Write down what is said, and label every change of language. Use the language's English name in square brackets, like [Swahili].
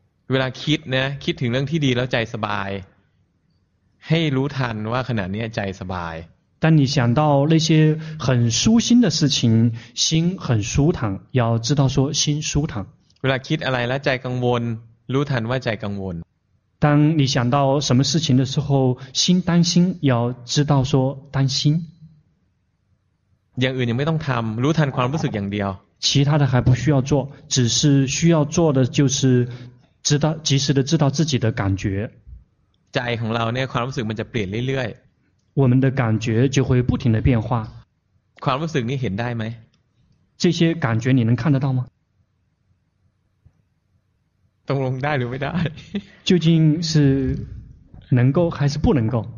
[Thai] เวลาคิดนะคิดถึงเรื่องที่ดีแล้วใจสบายให้รู้ทันว่าขณะนี้ใจสบาย [Chinese] แต่你想到那些很舒心的事情心很舒坦要知道说心舒坦 [Thai] เวลาคิดอะไรแล้วใจกังวลรู้ทันว่าใจกังวล [Chinese] 当你想到什么事情的时候心担心要知道说担心 [Thai] อย่างอื่นยังไม่ต้องทำรู้ทันความรู้สึกอย่างเดียว [Chinese] 其他的还不需要做只是需要做的就是知道及时的知道自己的感觉 [Thai] ใจของเราเนี่ยความรู้สึกมันจะเปลี่ยนเรื่อยๆ [Chinese] 我们的感觉就会不停的变化 [Thai] ความรู้สึกนี้เห็นได้ไหม [Chinese] 这些感觉你能看得到吗 [Thai] ตรงลงได้หรือไม่ได้ [Chinese] 究竟是能够还是不能够